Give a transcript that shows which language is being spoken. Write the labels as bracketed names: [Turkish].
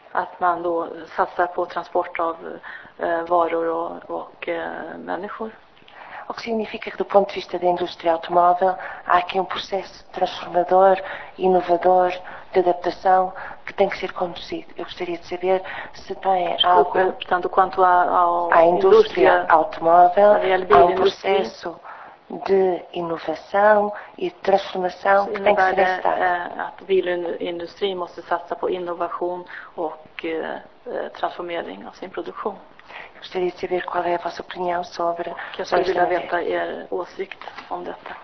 [Swedish] Att man då satsar på transport av varor och människor. [Portuguese] O que significa que, do ponto de vista da indústria automóvel, há aqui um processo transformador, inovador, de adaptação, que tem que ser conduzido. Eu gostaria de saber se tem algo... Portanto, quanto à indústria automóvel, há um processo de inovação e de transformação que tem que ser acertado. [Swedish] A bilindustrin måste satsa på innovation och transformering av sin produktion. [Portuguese] Gostaria de saber qual é a vossa opinião sobre que eu gostaria de saber a sua opinião.